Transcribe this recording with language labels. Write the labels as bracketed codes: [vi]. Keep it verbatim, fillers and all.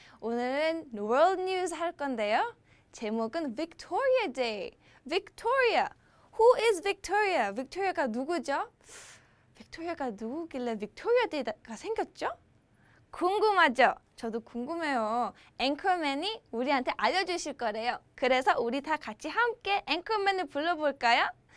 [ko] 오늘은 World News 할 건데요. 제목은 Victoria Day. [en] Victoria. Who is Victoria? [ko] Victoria가 누구죠? Victoria가 누구길래 Victoria Day가 생겼죠? 궁금하죠? 저도 궁금해요. 앵커맨이 우리한테 알려주실 거래요. 그래서 우리 다 같이 함께 앵커맨을 불러볼까요?